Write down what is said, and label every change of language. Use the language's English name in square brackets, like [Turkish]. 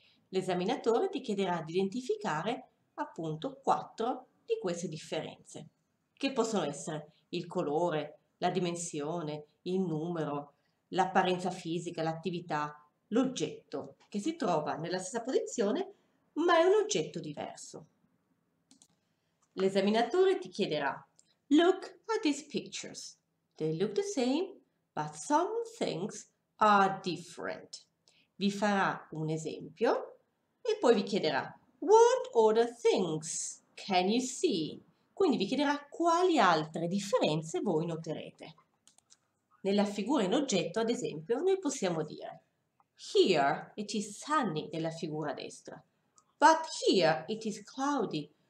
[Italian] L'esaminatore ti chiederà di identificare appunto quattro di queste differenze, che possono essere il colore, la dimensione, il numero, l'apparenza fisica, l'attività, l'oggetto che si trova nella stessa posizione, ma è un oggetto diverso. L'esaminatore ti chiederà: [English] Look at these pictures. They look the same, but some things are different. [Italian] Vi farà un esempio e poi vi chiederà: [English] What other things can you see? [Italian] Quindi vi chiederà quali altre differenze voi noterete. Nella figura in oggetto, ad esempio, noi possiamo dire: [English] Here it is sunny [Italian] nella figura a destra, [English] but here it is cloudy.